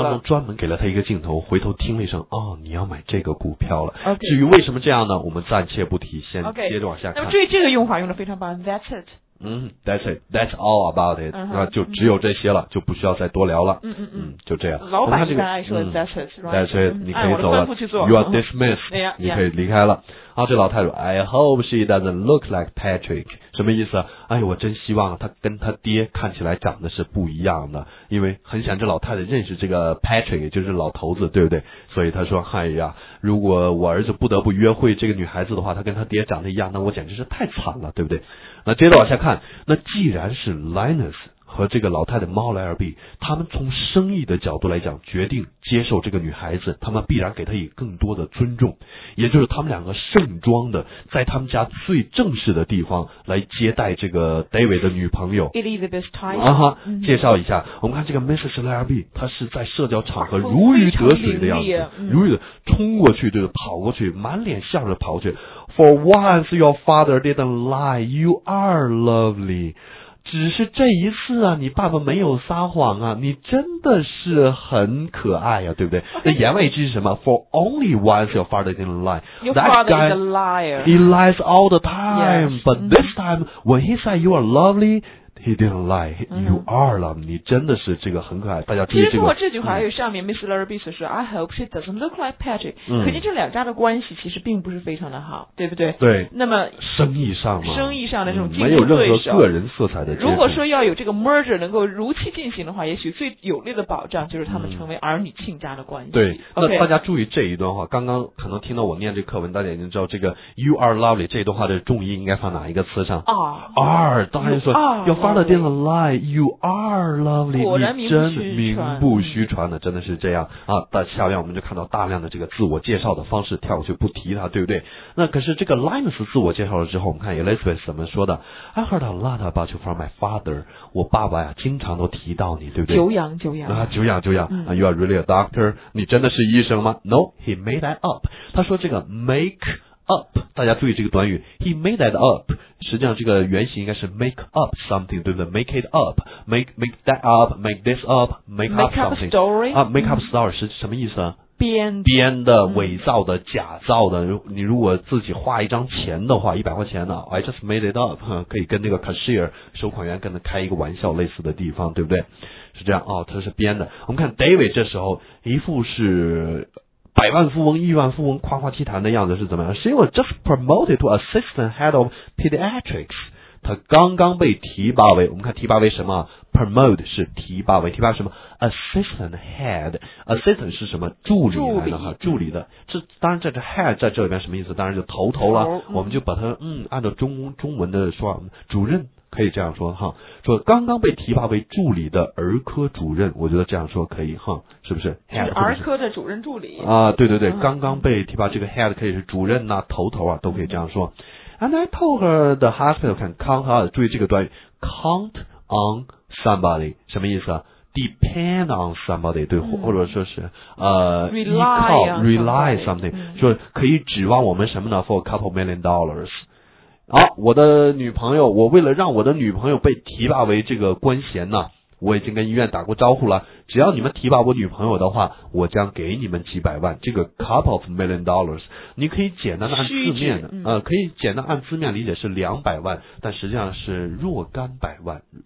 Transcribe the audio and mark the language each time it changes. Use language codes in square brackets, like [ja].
[zh] 电影当中专门给了他一个镜头，回头听了一声，哦，你要买这个股票了。 Okay. 至于为什么这样呢？我们暂且不提，先接着往下看。 Okay. 那么注意这个用法用的非常棒 ， [en] That's it。 That's all about it、 uh-huh, [zh] 那就只有这些了、就不需要再多聊了、就这样。老板刚才说 [en] That's it、 That's it、 [zh] 你可以走了、 [en] You are dismissed、 [zh] 你可以离开了、这老太说 [en] I hope she doesn't look like Patrick。 [zh] 什么意思？哎，我真希望他跟他爹看起来长得是不一样的，因为很想这老太太认识这个 Patrick， 也就是老头子，对不对？所以他说，哎呀，如果我儿子不得不约会这个女孩子的话，他跟他爹长得一样，那我简直是太惨了，对不对？那接着往下看，那既然是 Linus 和这个老太太 猫莱尔比 他们从生意的角度来讲决定接受这个女孩子，他们必然给她以更多的尊重，也就是他们两个盛装的在他们家最正式的地方来接待这个 David 的女朋友 [en] Elizabeth Tyson、 [zh] uh-huh, 介绍一下。我们看这个 Mrs. 莱尔比 她是在社交场合如鱼得水的样子、如鱼的冲过去，就是跑过去，满脸笑着跑过去。 [en] For once your father didn't lie, you are lovely. [zh] 只是这一次啊，你爸爸没有撒谎啊，你真的是很可爱啊，对不对？那言外之意是什么？ [en] For only once your father didn't lie. Your father is a liar. He lies all the time. Yes. But this time, when he said you are lovely, he didn't lie, you are love. [zh] 你真的是这个很可爱，大家注意这个。其实通过这句话，还有上面 Miss Larry Beast 说 [en] I hope she doesn't look like Patrick， [zh] 肯定这两家的关系其实并不是非常的好，对不对？对。那么生意上嘛，生意上的这种竞争对手，没有任何个人色彩的。如果说要有这个 merger 能够如期进行的话，也许最有力的保障就是他们成为儿女亲家的关系。对。 Okay，那大家注意这一段话，刚刚可能听到我念这课文，大家已经知道这个 you are lovely 这一段话的重音应该放哪一个词上？ [en] are [zh] 当然说要发的电的 [en] lie you are lovely， [zh] 果然名不虚传，真名不虚传的，真的是这样啊。但下面我们就看到大量的这个自我介绍的方式，跳过去不提它，对不对？那可是这个 Linus 自我介绍了之后，我们看 Elizabeth 怎么说的 ？ [en] I heard a lot about you from my father， [zh] 我爸爸呀经常都提到你，对不对？久仰久仰啊，久仰久仰啊 ！ [en] You are really a doctor， [zh] 你真的是医生吗 ？ [en] No， he made that up， [zh] 他说这个 make up， 大家注意这个短语 ， [en] he made that up。 [zh] 实际上这个原型应该是 [en] make up something， [zh] 对不对？ [en] make it up， make that up， make this up， make up something， make up story， [zh] 啊， make up story 是什么意思啊？编的、伪造的、假造的。你如果自己画一张钱的话，100块钱的 [en] I just made it up， [zh] 可以跟那个 cashier 收款员跟他开一个玩笑类似的地方，对不对？是这样啊、哦，他是编的。我们看 David 这时候一副是百万富翁、亿万富翁夸夸其谈的样子是怎么样？ [en] She was just promoted to assistant head of pediatrics， [zh] 她刚刚被提拔为，我们看提拔为什么？ promote 是提拔为，提拔什么？ assistant head， assistant 是什么？助理来的哈，助理的。这当然在这 head 在这里边什么意思？当然就头头了，我们就把它按照中文的说，主任可以这样说哈，说刚刚被提拔为助理的儿科主任，我觉得这样说可以哈，是不是？儿科的主任助理啊，对对对，刚刚被提拔这个 head 可以是主任呐、头头啊，都可以这样说。 [en] And I told her the hospital can count on， [zh] 注意这个短语 [en] count on somebody [zh] 什么意思啊？ [en] Depend on somebody， [zh] 对，或者说是 [en] rely [zh] something， 说可以指望我们什么呢 ？ [en] For a couple million dollars， [zh] 好、我的女朋友，我为了让我的女朋友被提拔为这个官衔呢，我已经跟医院打过招呼了。只要你们提拔我女朋友的话，我将给你们几百万。这个 couple of million dollars， 你可以简单的按字面的、可以简单按字面理解是200万，但实际上是若干百万。